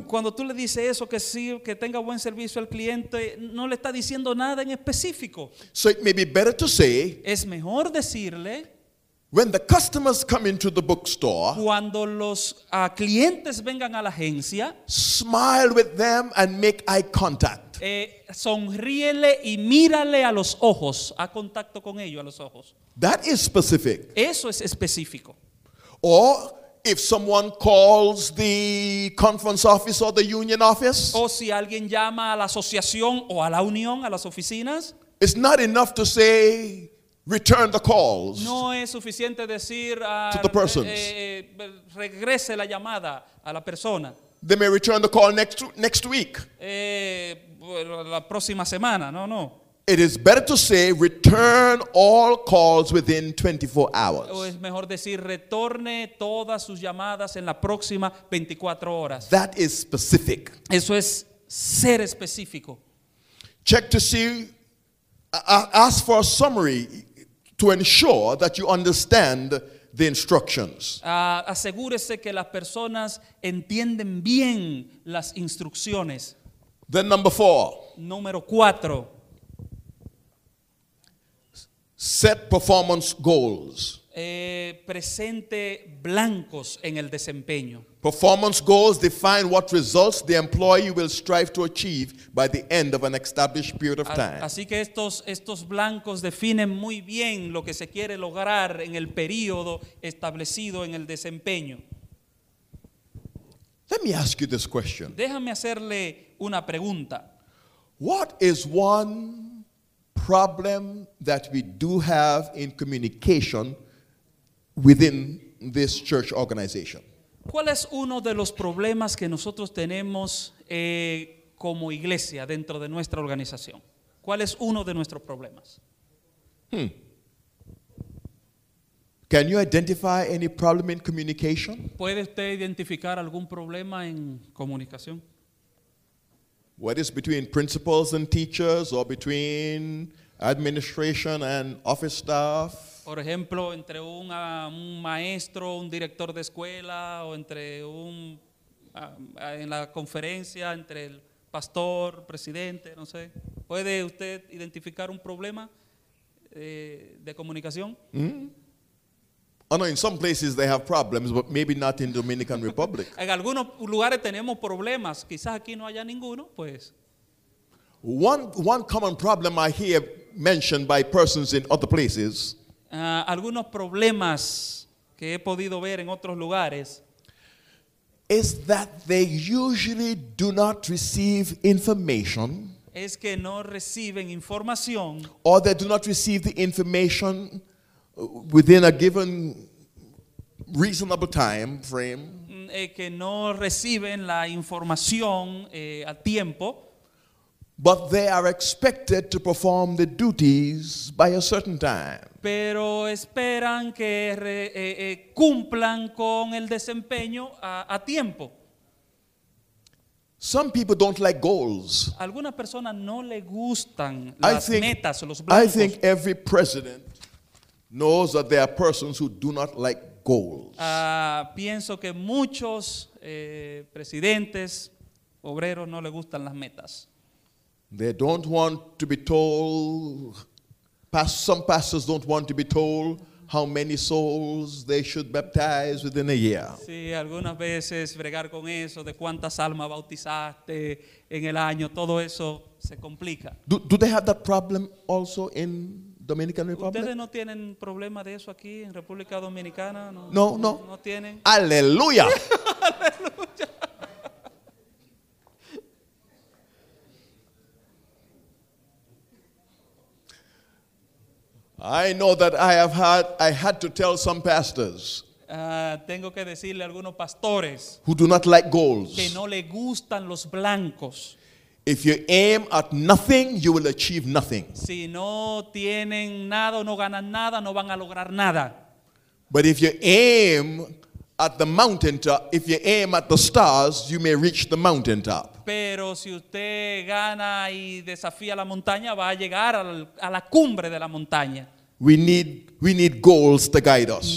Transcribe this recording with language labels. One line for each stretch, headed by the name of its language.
Spanish: Cuando tú le dices eso, que sí, que tenga buen servicio al cliente, no le está diciendo nada en específico.
English: So it may be better to say,
Spanish: es mejor decirle,
English: when the customers come into the bookstore,
Spanish: cuando los clientes vengan a la agencia,
English: smile with them and make eye contact.
Spanish: Sonríele y mírale a los ojos, a contacto con ellos, a los ojos.
English: That is specific.
Spanish: Eso es específico.
English: Or if someone calls the conference office or the union office.
Spanish: O si alguien llama a la asociación o a la unión, a las oficinas.
English: It's not enough to say return the calls.
Spanish: No es suficiente decir
English: to the persons.
Spanish: Regrese la llamada a la persona.
English: They may return the call next week.
Spanish: La próxima semana, no.
English: It is better to say return all calls within 24 hours.
Spanish: O es mejor decir retorne todas sus llamadas en la próxima 24 horas.
English: That is specific.
Spanish: Eso es ser específico.
English: Check to see, ask for a summary to ensure that you understand the instructions.
Spanish: Asegúrese que las personas entienden bien las instrucciones.
English: Then number four.
Spanish: Número cuatro.
English: Set performance goals.
Spanish: Presente blancos en el desempeño.
English: Performance goals define what results the employee will strive to achieve by the end of an established period of time.
Spanish: Así que estos blancos definen muy bien lo que se quiere lograr en el periodo establecido en el desempeño.
English: Let me ask you this question.
Spanish: Déjame hacerle una pregunta.
English: What is one problem that we do have in communication within this church organization?
Spanish: ¿Cuál es uno de los problemas que nosotros tenemos como iglesia dentro de nuestra organización? ¿Cuál es uno de nuestros problemas?
English: Can you identify any problem in communication?
Spanish: ¿Puede usted identificar algún problema en comunicación?
English: Whether it's between principals and teachers or between administration and office staff.
Spanish: Por ejemplo, entre un maestro, un director de escuela, o entre en la conferencia, entre el pastor, presidente, no sé. ¿Puede usted identificar un problema de comunicación?
English: Oh, no, in some places they have problems, but maybe not in Dominican Republic.
Spanish: En algunos lugares tenemos problemas, quizás aquí no haya ninguno, pues.
English: One common problem I hear mentioned by persons in other places.
Spanish: Algunos problemas que he podido ver en otros lugares.
English: Is that they usually do not receive information.
Spanish: Es que no reciben información.
English: Or they do not receive the information within a given reasonable time frame.
Spanish: Que no reciben la información a tiempo.
English: But they are expected to perform the duties by a certain time.
Spanish: Pero esperan que cumplan con el desempeño a tiempo.
English: Some people don't like goals.
Spanish: Algunas personas no le gustan las metas o los blancos.
English: I think every president knows that there are persons who do not like goals.
Spanish: Pienso que muchos presidentes, obreros, no le gustan las metas.
English: They don't want to be told. Some pastors don't want to be told how many souls they should baptize within a year.
Spanish: Sí, algunas veces bregar con eso de cuántas almas bautizaste en el año, todo eso se complica.
English: Do they have that problem also in Dominican Republic?
Spanish: ¿Ustedes no tienen problema de eso aquí en República Dominicana?
English: No.
Spanish: No tienen. Aleluya. Aleluya.
English: I know that I had to tell some pastors.
Spanish: Tengo que decirle a algunos pastores
English: who do not like goals.
Spanish: Que no le gustan los blancos.
English: If you aim at nothing, you will achieve nothing.
Spanish: Si no tienen nada, no ganan nada, no van a lograr nada.
English: But if you aim at the mountaintop, if you aim at the stars, you may reach the mountaintop.
Spanish: Pero si usted gana y desafía la montaña, va a llegar a la cumbre de la montaña.
English: We need goals to guide us.